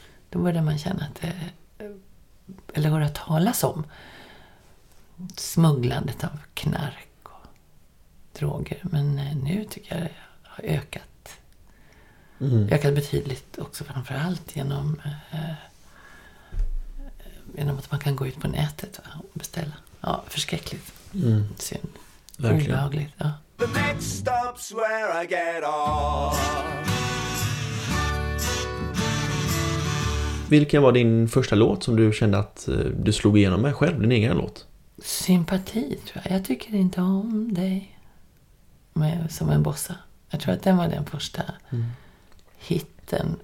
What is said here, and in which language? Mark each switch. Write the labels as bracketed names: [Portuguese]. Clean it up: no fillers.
[Swedish] Då började man känna att det, eller höra talas om smugglandet av knark och droger. Men nu tycker jag det har ökat. Ökat betydligt också, framförallt genom att man kan gå ut på nätet och beställa. Ja, förskräckligt. Synd. Verkligen. Olagligt, ja. [English] The next stop's where I get off. [Swedish] Vilken var din första låt som du kände att du slog igenom med själv, din egen låt? Sympati, tror jag. Jag tycker inte om dig. Men som en bossa. Jag tror att den var den första hitten.